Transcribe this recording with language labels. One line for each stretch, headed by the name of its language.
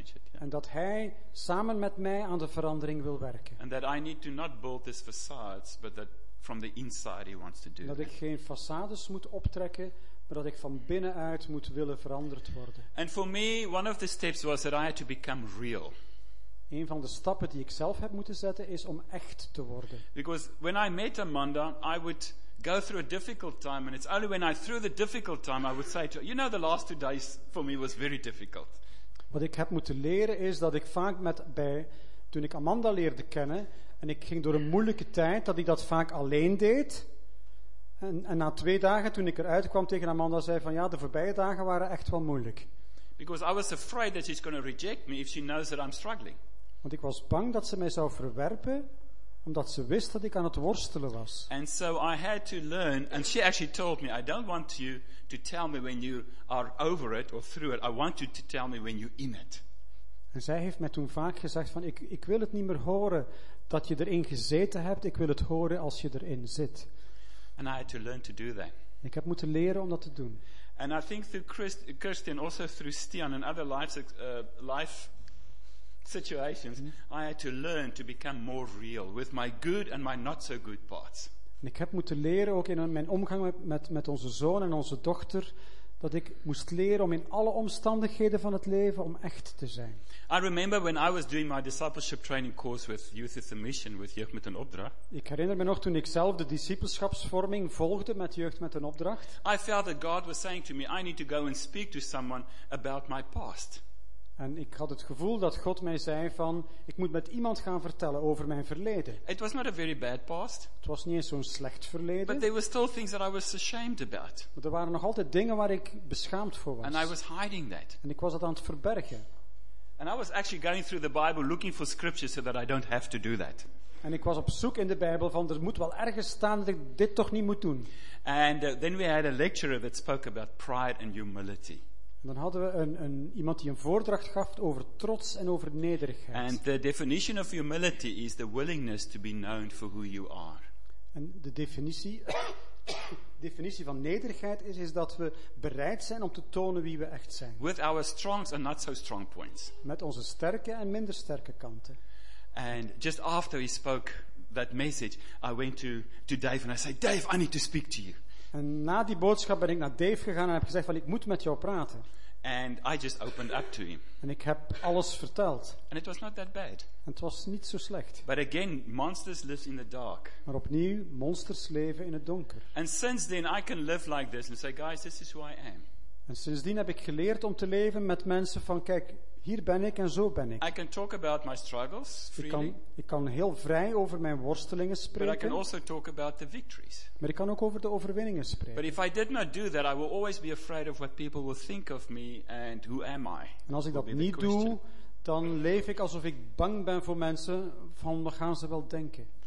Dutch: En dat hij samen met mij aan de verandering wil werken.
English: And that I need to not build these facades, but that from the inside he wants to do.
Dutch: Dat ik geen façades moet optrekken, maar dat ik van binnenuit moet willen veranderd worden.
English: And for me, one of the steps was that I had to become real.
Dutch: Een van de stappen die ik zelf heb moeten zetten is om echt te worden.
English: Because when I met Amanda, I would go through a difficult time, and it's only when I through the difficult time I would say to you know the last 2 days for me was very difficult.
Dutch: Wat ik heb moeten leren is dat ik vaak toen ik Amanda leerde kennen en ik ging door een moeilijke tijd, dat ik dat vaak alleen deed. En na 2 dagen toen ik eruit kwam tegen Amanda zei van de voorbije dagen waren echt wel moeilijk.
English: Because I was afraid that she's going to reject me if she knows that I'm struggling.
Dutch: Want ik was bang dat ze mij zou verwerpen omdat ze wist dat ik aan het worstelen was.
English: And so I had to learn, and she actually told me, I don't want you to tell me when you are over it or through it. I want you to tell me when you're in it.
Dutch: En zij heeft mij toen vaak gezegd van ik wil het niet meer horen dat je erin gezeten hebt. Ik wil het horen als je erin zit.
English: And I had to learn to do that.
Dutch: Ik heb moeten leren om dat te doen.
English: And I think through Kirsten, also through Stian and other life situations, I had to learn to become more real with my good and my not so good parts.
Dutch: En ik heb moeten leren ook in mijn omgang met onze zoon en onze dochter dat ik moest leren om in alle omstandigheden van het leven om echt te zijn.
English: I remember when I was doing my discipleship training course with Youth with a Mission, with Jeugd met een Opdracht.
Dutch: Ik herinner me nog toen ik zelf de discipelschapsvorming volgde met Jeugd met een Opdracht.
English: I felt that God was saying to me, I need to go and speak to someone about my past.
Dutch: En ik had het gevoel dat God mij zei van ik moet met iemand gaan vertellen over mijn verleden.
English: It was not a very bad past.
Dutch: Het was niet eens zo'n slecht verleden.
English: But there were still things that I was ashamed about.
Dutch: Maar er waren nog altijd dingen waar ik beschaamd voor was.
English: And I was hiding that.
Dutch: En ik was dat aan het verbergen.
English: And I was actually going through the Bible looking for scriptures so that I don't have to do that.
Dutch: En ik was op zoek in de Bijbel van er moet wel ergens staan dat ik dit toch niet moet doen.
English: And then we had a lecturer that spoke about pride and humility.
Dutch: En dan hadden we iemand die een voordracht gaf over trots en over nederigheid.
English: And the definition of humility is the willingness to be known for who you are.
Dutch: En de definitie van nederigheid is dat we bereid zijn om te tonen wie we echt zijn.
English: With our strong and not so strong points.
Dutch: Met onze sterke en minder sterke kanten.
English: And just after he spoke that message, I went to Dave and I said, Dave, I need to speak to you.
Dutch: En na die boodschap ben ik naar Dave gegaan en heb gezegd van ik moet met jou praten.
English: And I just opened up to him.
Dutch: En ik heb alles verteld.
English: And it was not that bad.
Dutch: En het was niet zo slecht.
English: But again, monsters live in the dark.
Dutch: Maar opnieuw, monsters leven in het donker.
English: And since then I can live like this and say, guys, this is who I am.
Dutch: En sindsdien heb ik geleerd om te leven met mensen van kijk, hier ben ik en zo ben ik.
English: I can talk about my struggles freely.
Dutch: Ik kan heel vrij over mijn worstelingen spreken.
English: But I can also talk about the victories.
Dutch: Maar ik kan ook over de overwinningen spreken.
English: But if I did not do that, I will always be afraid of what people will think of me and who am I?
Dutch: En als ik dat niet doe, dan leef ik alsof ik bang ben voor mensen van wat gaan ze wel denken.